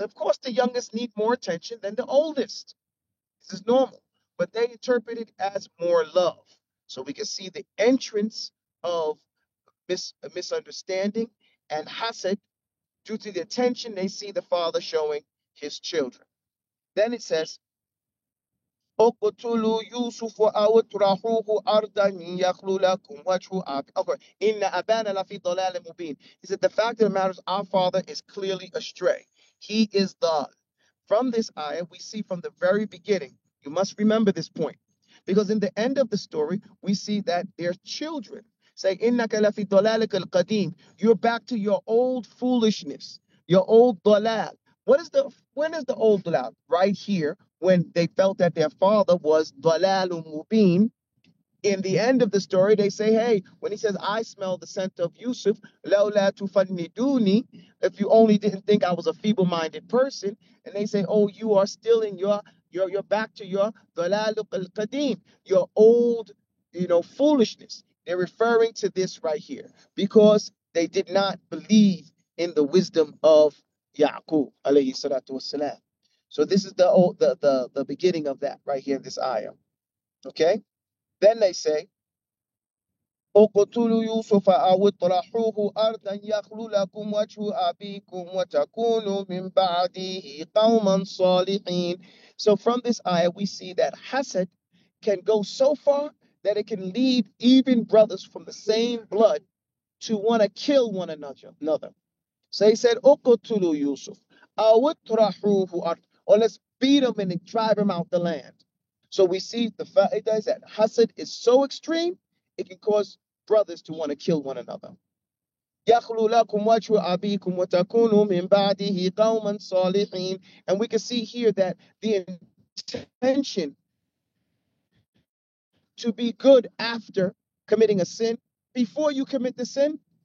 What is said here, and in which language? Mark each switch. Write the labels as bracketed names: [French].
[English] Of course, the youngest need more attention than the oldest. This is normal. But they interpret it as more love. So we can see the entrance of misunderstanding and hasid due to the attention they see the father showing his children. [Arabic] Then it says, اقتلوا يوسف او اطرحوه ارضا يخلو لكم وجه اب. Okay. ان ابانا لفي ضلال مبين. [English] Is that the fact of the matter is our father is clearly astray. He is ضال. From this ayah, we see from the very beginning, you must remember this point. Because in the end of the story, we see that their children say, [Arabic] انك لفي ضلالك القديم. [English] You're back to your old foolishness, your old ضلال. When is the old ضلال? Right here. When they felt that their father was dalal mubin, in the end of the story, they say, hey, when he says, I smell the scent of Yusuf, [Arabic] laula tufanniduni, [English] if you only didn't think I was a feeble-minded person, and they say, oh, you are still in you're back to your dalal al-qadim, your old, foolishness. They're referring to this right here, because they did not believe in the wisdom of Ya'qub, alayhi salatu wasalam. So this is the beginning of that right here in this ayah. Okay? [Arabic] Then they say, اقتلوا يوسف أو اطرحوه أرضا يخلو لكم وجه أبيكم وتكونوا من بعده قوما صالحين. [English] So from this ayah, we see that hasad can go so far that it can lead even brothers from the same blood to want to kill one another. [Arabic] So he said, اقتلوا يوسف أو اطرحوه أرضا. [English] Or let's beat him and drive him out the land. So we see the fact is that hasad is so extreme, it can cause brothers to want to kill one another. [Arabic] يَخْلُوا لَكُمْ وَجْهُ أَبِيكُمْ وَتَكُونُوا مِنْ بَعْدِهِ قَوْمًا صَالِحِينَ. [English] And we can see here that the intention to be good after committing a sin, before you commit the sin,